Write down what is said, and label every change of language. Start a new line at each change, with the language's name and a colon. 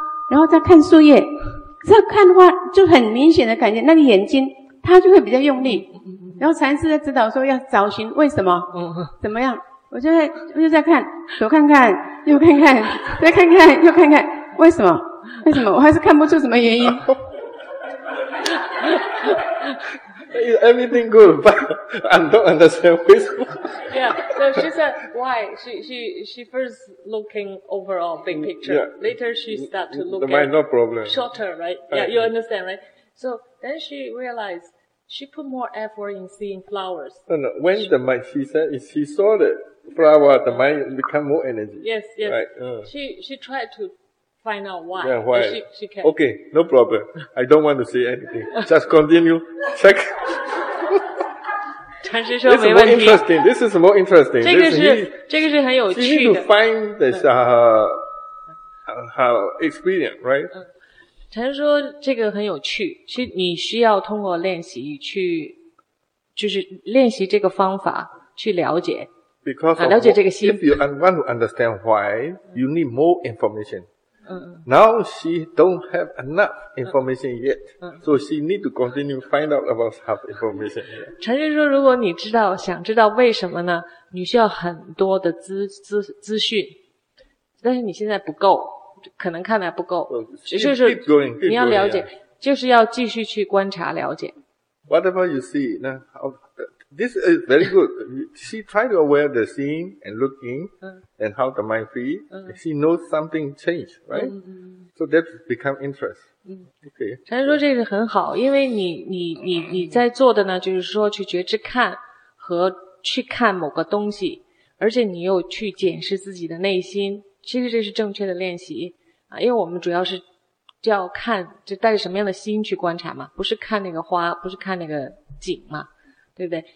Chinese: 然后再看树叶，这看花就很明显的感觉那个眼睛它就会比较用力，然后禅师在指导说要找寻为什么怎么样，我就在看，左看看右看看再看看又看看，为什么我还是看不出什么原因。
English: Is everything good, but I don't understand why. Yeah, so she said why. She first looking overall big picture. Yeah. Later she start to look at no problem. Shorter, right? Yeah, you understand, right? So then she realized she put more effort in seeing flowers. No. When the mind, she said, if she saw the flower, the mind become more energy. Yes. Right. She tried to find out why. Yeah, why? She can. Okay, no problem. I don't want to say anything. Just continue. Check.
Chinese: 禅师说没问题。
English: This is more interesting. This is more interesting.
Chinese: 这个是很有趣的。
English: She need to find this, her experience, right?
Chinese: 禅师说这个很有趣。是你需要通过练习去，就是练习这个方法去了解。
English: Because
Chinese: 了解这个心。
English: If you want to understand why, you need more information. Now she don't have enough information yet, so she need to continue find out about her information.
Chinese: 禅师说，如果你知道想知道为什么呢，你需要很多的资讯，但是你现在不够，可能看来不够，就是你要了解，就是要继续去观察了解。
English: Whatever you see, this is very good. She try to aware the seeing and looking, and how the mind free. She knows something change, right? So that become interest. Okay.
Chinese: 禅师说这个很好，因为你在做的呢，就是说去觉知看和去看某个东西，而且你又去检视自己的内心。其实这是正确的练习啊，因为我们主要是要看，就带着什么样的心去观察嘛，不是看那个花，不是看那个景嘛。对不对？